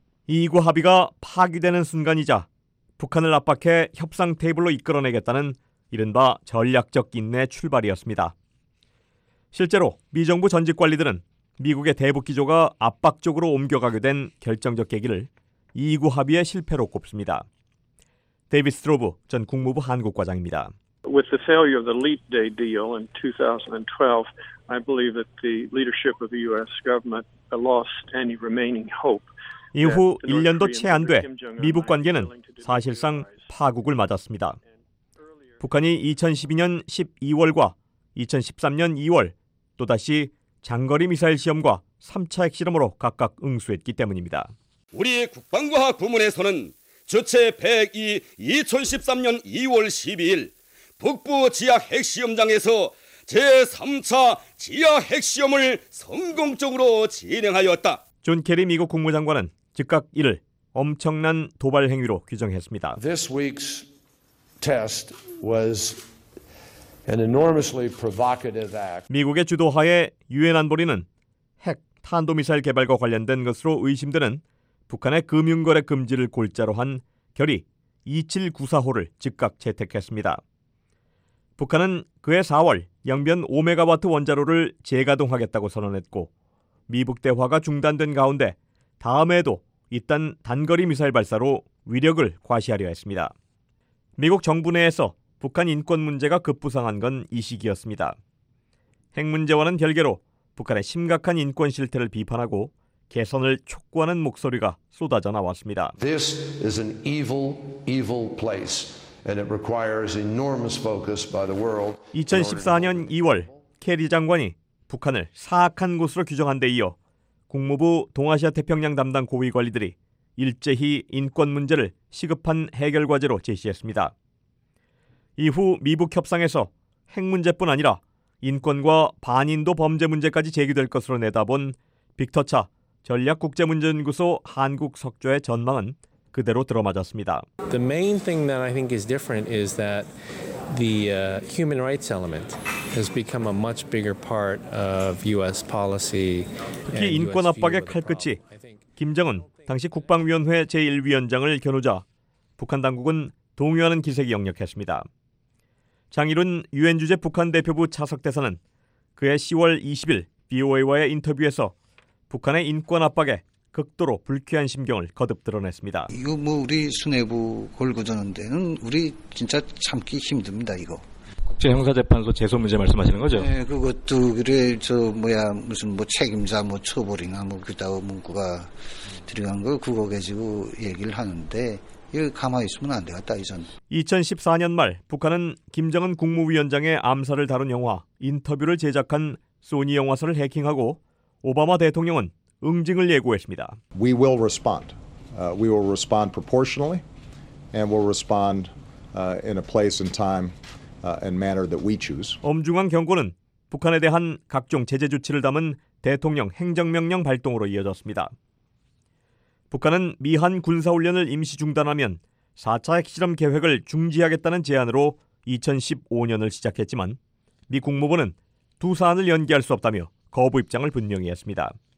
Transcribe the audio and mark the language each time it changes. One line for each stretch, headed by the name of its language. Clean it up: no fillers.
Korean: 이구 합의가 파기되는 순간이자 북한을 압박해 협상 테이블로 이끌어내겠다는 이른바 전략적 인내 출발이었습니다. 실제로 미 정부 전직 관리들은 미국의 대북 기조가 압박 쪽으로 옮겨가게 된 결정적 계기를 2구 합의의 실패로 꼽습니다. 데이비 스트로브 전 국무부 한국 과장입니다.
English: With the failure of the Leap Day deal in 2012, I believe that the leadership of the US government lost any remaining hope.
Korean: 이후 1년도 채 안 돼 미북 관계는 사실상 파국을 맞았습니다. 북한이 2012년 12월과 2013년 2월 또다시 장거리 미사일 시험과 3차 핵실험으로 각각 응수했기 때문입니다. 우리 국방과학 부문에서는 주체 102 2013년 2월 12일 북부 지하 핵시험장에서 제3차 지하 핵시험을 성공적으로 진행하였다. 존 케리 미국 국무장관은 즉각 이를 엄청난 도발 행위로 규정했습니다.
English: This week's test was an enormously provocative act.
Korean: 미국의 주도하에 유엔 안보리는 핵, 탄도미사일 개발과 관련된 것으로 의심되는 북한의 금융거래 금지를 골자로 한 결의 2794호를 즉각 채택했습니다. 북한은 그해 4월 영변 5메가와트 원자로를 재가동하겠다고 선언했고 미북 대화가 중단된 가운데 다음에도 이딴 단거리 미사일 발사로 위력을 과시하려 했습니다. 미국 정부 내에서 북한 인권 문제가 급부상한 건 이 시기였습니다. 핵 문제와는 별개로 북한의 심각한 인권 실태를 비판하고 개선을 촉구하는 목소리가 쏟아져 나왔습니다.
English: This is an evil, evil place, and it requires enormous focus by the world.
Korean: 2014년 2월 케리 장관이 북한을 사악한 곳으로 규정한 데 이어 국무부 동아시아 태평양 담당 고위 관리들이 일제히 인권 문제를 시급한 해결 과제로 제시했습니다. 이후 미북 협상에서 핵 문제뿐 아니라 인권과 반인도 범죄 문제까지 제기될 것으로 내다본 빅터 차 전략국제문제연구소 한국 석좌의 전망은 그대로 들어맞았습니다.
English: The main thing that I think is different is that the human rights element has become a much bigger part of U.S. policy.
Korean: 특히 인권 압박의 칼끝이 김정은 당시 국방위원회 제1위원장을 겨누자 북한 당국은 동요하는 기색이 역력했습니다. 장일훈 유엔 주재 북한 대표부 차석 대사는 그해 10월 20일 BOA와의 인터뷰에서 북한의 인권 압박에 극도로 불쾌한 심경을 거듭 드러냈습니다. 이거 뭐 우리 수뇌부 골고드는 데는 우리 진짜 참기 힘듭니다. 이거 국제 형사 재판소 제소 문제 말씀하시는 거죠? 네, 그것도 그래 저 뭐야 무슨 뭐 책임자 뭐 처벌이나 뭐 그다음 문구가 들어간 거 그거 가지고 얘기를 하는데 이거 가만히 있으면 안 되겠다 이전. 2014년 말 북한은 김정은 국무위원장의 암살을 다룬 영화 인터뷰를 제작한 소니 영화사를 해킹하고 오바마 대통령은 응징을 예고했습니다.
English: We will respond. We will respond proportionally and we'll respond in a place and time and manner that we choose.
Korean: 엄중한 경고는 북한에 대한 각종 제재 조치를 담은 대통령 행정명령 발동으로 이어졌습니다. 북한은 미한 군사 훈련을 임시 중단하면 4차 핵실험 계획을 중지하겠다는 제안으로 2015년을 시작했지만 미 국무부는 두 사안을 연계할 수 없다며 거부 입장을 분명히 했습니다.